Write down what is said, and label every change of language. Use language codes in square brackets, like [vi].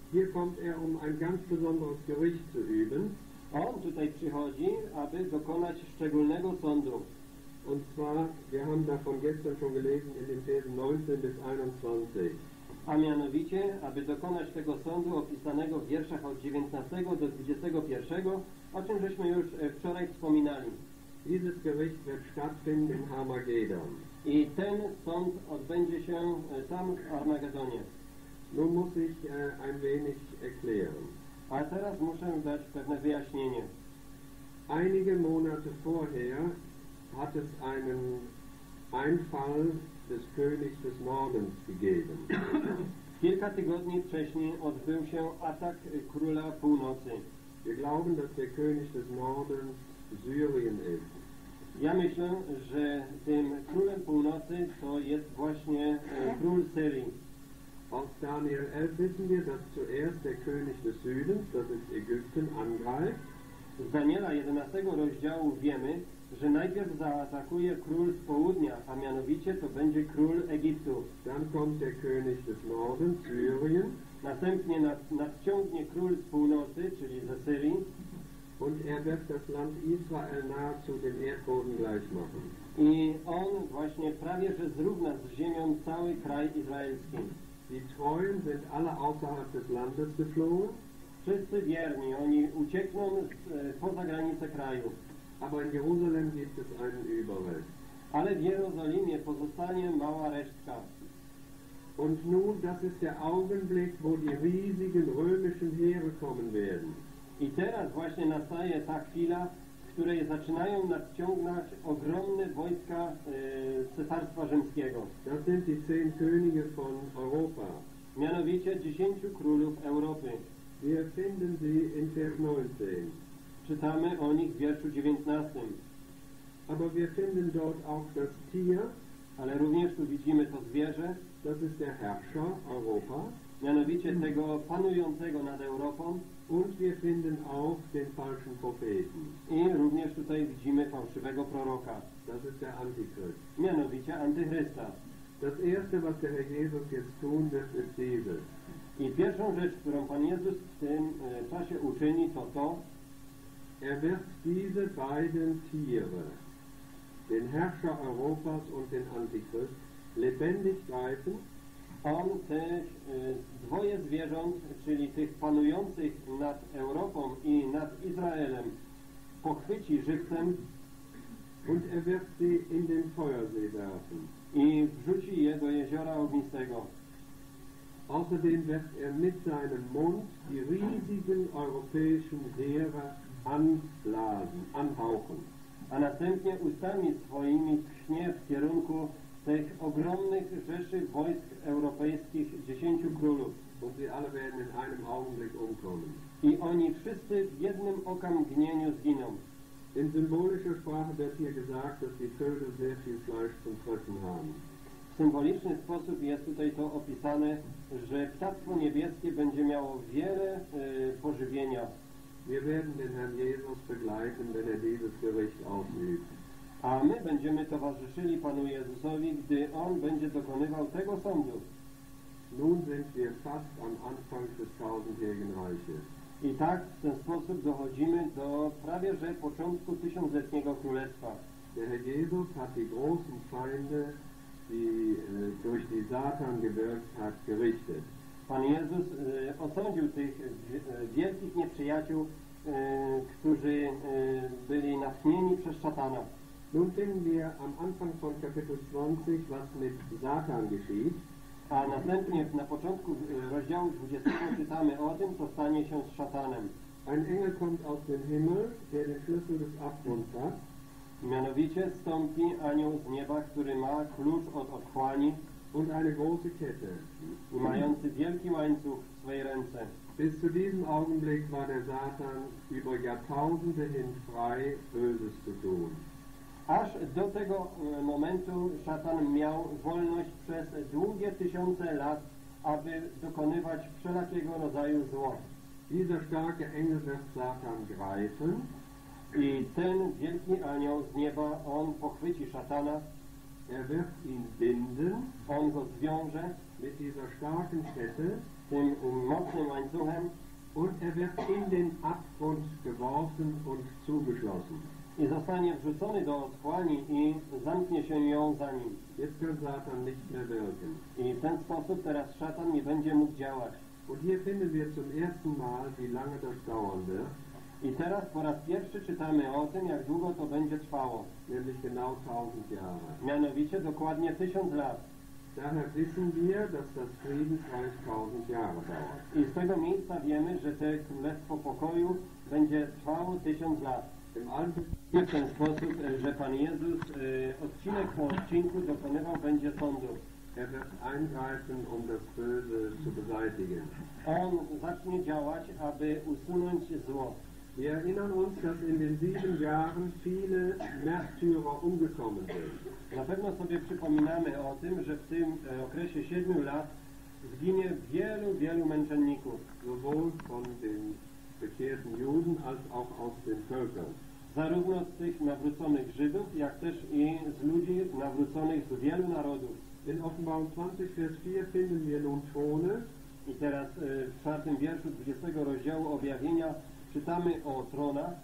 [de] Hier kommt er, um ein ganz besonderes Gericht zu üben. [pl] On tutaj przychodzi, aby dokonać szczególnego sądu. [de] Und zwar, wir haben davon gestern schon gelesen in den Versen 19 bis 21. [pl] A mianowicie, aby dokonać tego sądu opisanego w wierszach od 19 do 21, o czym żeśmy już wczoraj wspominali. [de] Dieses Gericht wird stattfinden in Armageddon. [pl] I ten sąd odbędzie się tam w Armagedonie. [de] Nun muss ich ein wenig erklären. [pl] A teraz muszę dać pewne wyjaśnienie. [de] Einige Monate vorher hat es einen Einfall des Königs des Nordens gegeben. [pl] Kilka tygodni wcześniej odbył się atak króla północy. [de] Wir glauben, dass der König des Nordens Syrien ist. [pl] Ja myślę, że tym królem północy to jest właśnie król Syrii. [de] Aus Daniel 11 wissen wir, dass zuerst der König des Südens, das ist Ägypten, angreift. [pl] Z Daniela 11 rozdziału wiemy, że najpierw zaatakuje król z południa, a mianowicie to będzie król Egiptu. [de] Dann kommt der König des Nordens, Syrien. [pl] Następnie nadciągnie król z północy, czyli ze Syrii. [de] Und er wird das Land Israel nahezu dem Erdboden gleich machen. [pl] I on właśnie prawie że zrówna z ziemią cały kraj izraelski. [de] Die Treuen sind alle außerhalb des Landes geflohen. [pl] Wszyscy wierni, oni uciekną poza granice kraju. [de] Aber in Jerusalem gibt es einen Überrest. [pl] Ale w Jerozolimie pozostanie mała resztka. [de] Und nun, das ist der Augenblick, wo die riesigen römischen Heere kommen werden. [pl] I teraz właśnie nastaje ta chwila, w której zaczynają nadciągnąć ogromne wojska Cesarstwa Rzymskiego. [de] Das sind die zehn Könige von Europa. [pl] Mianowicie 10 królów Europy. [de] Wir finden sie in Vers 19. [pl] Czytamy o nich w wierszu 19. [de] Aber wir finden dort auch das Tier. [pl] Ale również tu widzimy to zwierzę. [de] Das ist der Herrscher Europa. [pl] Mianowicie tego panującego nad Europą. [de] Und wir finden auch den falschen Propheten. [pl] I również tutaj widzimy fałszywego proroka. [de] Das ist der Antichrist. [pl] Mianowicie Antychrysta. [de] Das erste, was der Herr Jesus jetzt tun wird, ist dieses. [pl] I pierwszą rzecz, którą Pan Jezus w tym czasie uczyni, to to. [de] Er wird diese beiden Tiere, den Herrscher Europas und den Antichrist, lebendig greifen. [pl] On te dwoje zwierząt, czyli tych panujących nad Europą i nad Izraelem, pochwyci żywcem [de] und er wird sie in den Feuersee werfen. [pl] I wrzuci je do jeziora ognistego. [de] Außerdem wird er mit seinem Mund die riesigen europäischen Heere anblasen, anhauchen. [pl] A następnie ustami swoimi tchnie w kierunku tych ogromnych rzeszy wojsk europejskich 10 królów. [de] Und sie alle werden in einem Augenblick umkommen. [pl] I oni wszyscy w jednym okamgnieniu zginą. [de] In symbolischer Sprache wird hier gesagt, dass die Vögel sehr viel Fleisch zum Fressen haben. [pl] W symboliczny sposób jest tutaj to opisane, że ptactwo niebieskie będzie miało wiele pożywienia. [de] Wir werden den Herrn Jesus begleiten, wenn er dieses Gericht ausübt. [pl] A my będziemy towarzyszyli Panu Jezusowi, gdy On będzie dokonywał tego sądu. [de] Nun sind wir fast am Anfang des tausendjährigen Reiches. [pl] I tak w ten sposób dochodzimy do prawie że początku tysiącletniego królestwa. [de] Der Herr Jesus hat die großen Feinde, die durch die Satan gewirkt hat, gerichtet. [pl] Pan Jezus osądził tych wielkich nieprzyjaciół, którzy byli natchnieni przez szatana. [de] Nun finden wir am Anfang von Kapitel 20, was mit Satan geschieht. [pl] A następnie na początku rozdziału 20 czytamy o tym, co stanie się z szatanem. [de] Ein Engel kommt aus dem Himmel, der den Schlüssel des Abgrunds hat. [pl] Mianowicie stąpi anioł z nieba, który ma klucz od otchłani. [de] und eine große Kette, [pl] mający wielki łańcuch w swojej ręce. [de] Bis zu diesem Augenblick war der Satan über Jahrtausende hin frei, Böses zu tun. [pl] Aż do tego momentu szatan miał wolność przez długie tysiące lat, aby dokonywać wszelakiego rodzaju zło. [de] Dieser starke Engel wird Satan greifen. [pl] I ten wielki anioł z nieba, on pochwyci szatana. [de] Er wird ihn binden. [pl] On go zwiąże. [de] Mit dieser starken Kette. [pl] Tym mocnym łańcuchem. [de] Und er wird in den Abgrund geworfen und zugeschlossen. [pl] I zostanie wrzucony do otchłani i zamknie się ją za nim. [de] Jetzt kann Satan nicht mehr wirken. [pl] I w ten sposób teraz szatan nie będzie mógł działać. [de] Und hier finden wir zum ersten Mal, wie lange das dauern wird. [pl] I teraz po raz pierwszy czytamy o tym, jak długo to będzie trwało. [de] Nämlich genau 1000 Jahre. [pl] Mianowicie dokładnie 1000 lat. [de] Daher wissen wir, dass das Friedensreich 1000 Jahre dauert. [pl] I z tego miejsca wiemy, że to Królestwo Pokoju będzie trwało 1000 lat. W ten sposób, że Pan Jezus odcinek po odcinku dokonywał będzie sądu. [de] Er wird eingreifen, um das Böse zu beseitigen. [pl] On zacznie działać, aby usunąć zło. [de] Wir erinnern uns, dass in den sieben Jahren viele Märtyrer umgekommen sind. [pl] Na pewno sobie przypominamy o tym, że w tym okresie siedmiu lat zginie wielu, wielu męczenników. [de] Sowohl von den bekehrten Juden, als auch aus den Völkern. [pl] Zarówno z tych nawróconych Żydów, jak też i z ludzi nawróconych z wielu narodów. [de] In Offenbarung 20, Vers 4 finden wir nun Throne. [pl] I teraz w czwartym wierszu 20 rozdziału Objawienia czytamy o tronach.